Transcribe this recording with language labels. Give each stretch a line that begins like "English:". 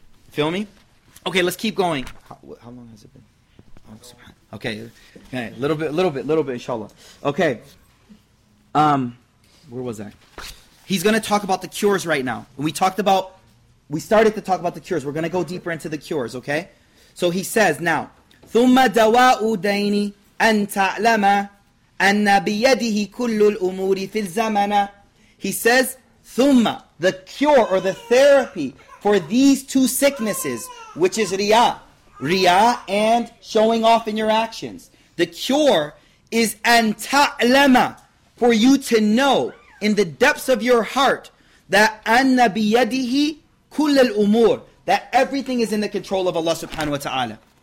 English: Feel me? Okay, let's keep going. How long has it been? Okay, a little bit, inshallah. Okay, where was I? He's going to talk about the cures right now. We started to talk about the cures. We're going to go deeper into the cures, okay? So he says now,
Arabic: ثُمَّ دَوَاءُ دَيْنِ أَن تَعْلَمَ أَنَّ بِيَدِهِ كُلُّ الْأُمُورِ فِي الزَّمَنَ.
English: He says, ثُمَّ, the cure or the therapy for these two sicknesses, which is riya. Riya and showing off in your actions. The cure is
Arabic: أَن تَعْلَمَ,
English: for you to know in the depths of your heart that
Arabic: anna biyadihi kull al umur,
English: that everything is in the control of Allah subhanahu wa ta'ala.